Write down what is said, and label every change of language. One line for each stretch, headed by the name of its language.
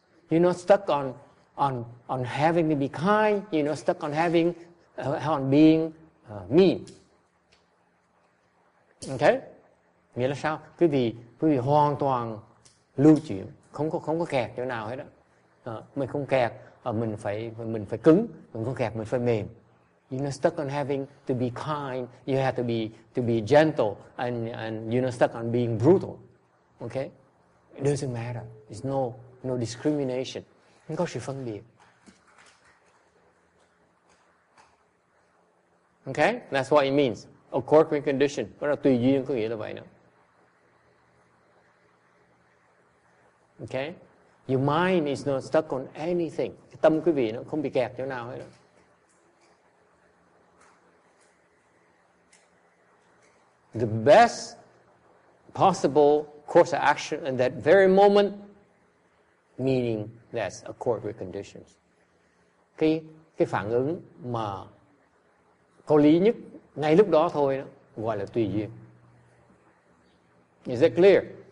English: You're not stuck on having to be kind. You're not stuck on having on being mean.
Vietnamese: Okay? Nghĩa là sao? Quý vị hoàn toàn lưu chuyển, không có kẹt chỗ nào hết đó. Mình không kẹt mình phải cứng, mình không gạt, mình phải mềm.
English: You're not stuck on having to be kind. You have to be gentle, and you're not stuck on being brutal. Okay? It doesn't matter. It's no discrimination.
Vietnamese: Không có sự phân biệt.
English: Okay? That's what it means. According to condition.
Vietnamese: Có là tùy duyên có nghĩa là vậy nè.
English: Okay? Your mind is not stuck on anything.
Vietnamese: Cái tâm quý vị nó không bị kẹt chỗ nào hết.
English: The best possible course of action in that very moment, meaning that's accord with conditions.
Vietnamese: Cái phản ứng mà có lý nhất ngay lúc đó thôi đó, gọi là tùy duyên.
English: Is that clear?